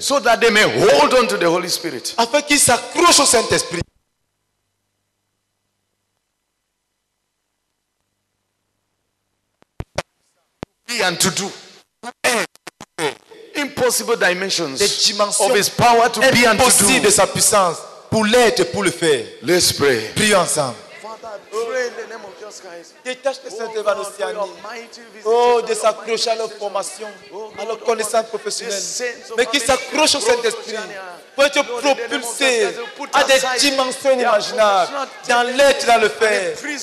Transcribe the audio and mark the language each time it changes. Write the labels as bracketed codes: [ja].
[en] So that they may hold on to the Holy Spirit. [fr] Afin qu'ils s'accrochent au Saint-Esprit. [en] Be and to do. Impossible dimensions, [fr] des dimensions [en] of his power to be and to do. [fr] De sa puissance pour l'être et pour le faire. [en] Let's pray. [fr] Prions ensemble. [en] Father, pray in the name of Jesus Christ. [fr] Détache les saints de l'Océanie. Oh, de s'accrocher à leur formation, à leur connaissance professionnelle. Mais qu'ils s'accrochent au Saint-Esprit pour être propulsés à des dimensions inimaginables dans l'être et dans le faire.